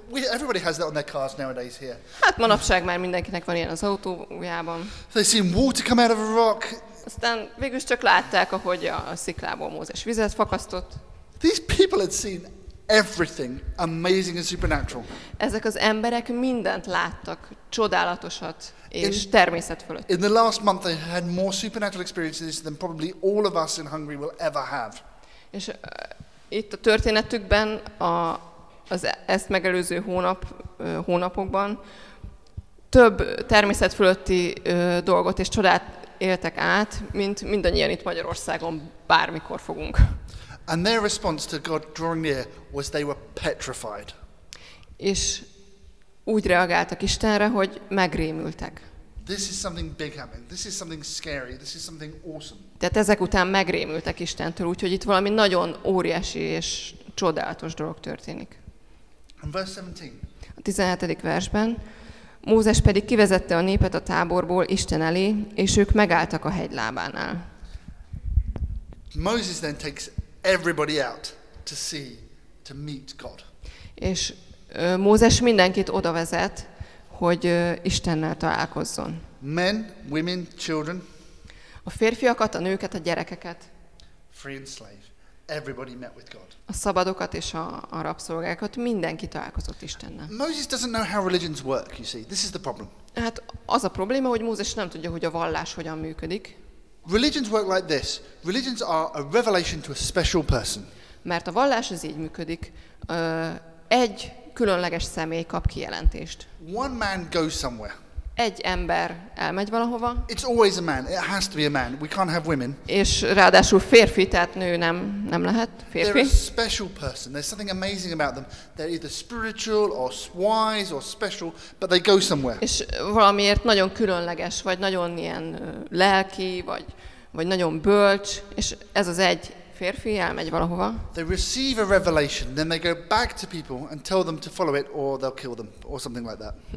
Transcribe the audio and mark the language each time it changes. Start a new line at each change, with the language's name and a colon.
English: Oh, everybody has that on their cars nowadays here.
Hungarian: Hát manapság már mindenkinek van ilyen az autójában.
English: They seen water come out of a rock.
Hungarian: Aztán végül is csak látták, ahogy a sziklából Mózes vizet fakasztott.
English: These people had seen everything amazing and supernatural.
Hungarian: Ezek az emberek mindent láttak, csodálatosat és természet fölött.
English: In the last month they had more supernatural experiences than probably all of us in Hungary will ever have.
Hungarian: És itt a történetükben ezt megelőző hónapokban több természet fölötti dolgot és csodát éltek át, mint mindannyian itt Magyarországon bármikor fogunk.
English: And their response to God drawing near was they were petrified.
Hungarian: És úgy reagáltak Istenre, hogy megrémültek.
English: This is something big happening. This is something scary. This is something awesome.
Hungarian: Tehát ezek után megrémültek Istentől, úgyhogy itt valami nagyon óriási és csodálatos dolog történik.
English: And verse 17.
Hungarian: A 17. versben Mózes pedig kivezette a népet a táborból Isten elé, és ők megálltak a hegy lábánál.
English: Moses then takes everybody out to see, to meet God.
Hungarian: És Mózes mindenkit oda vezet, hogy Istennel találkozzon.
English: Men, women, children.
Hungarian: A férfiakat, a nőket, a gyerekeket.
English: Free and slave. Everybody met with God.
Hungarian: A szabadokat és a rabszolgákat, mindenki találkozott Istennel.
English: Moses doesn't know how religions work, you see. This is the problem.
Hungarian: Hát az a probléma, hogy Mózes nem tudja, hogy a vallás hogyan működik.
English: Religions work like this. Religions are a revelation to a special person.
Hungarian: Mert a vallás az így működik. Egy különleges személy kap kijelentést.
English: One man goes somewhere.
Hungarian: Egy ember elmegy valahova.
English: It's always a man. It has to be a man. We can't have women.
Hungarian: És ráadásul férfi, tehát nő nem lehet. Férfi.
English: They're a special person. There's something amazing about them. They're either spiritual or wise or special, but they go somewhere.
Hungarian: És valamiért nagyon különleges, vagy nagyon ilyen lelki, vagy nagyon bölcs, és ez az egy férfi elmegy valahova.
English: They receive a revelation, then they go back to people and tell them to follow it, or they'll kill them, or something like that.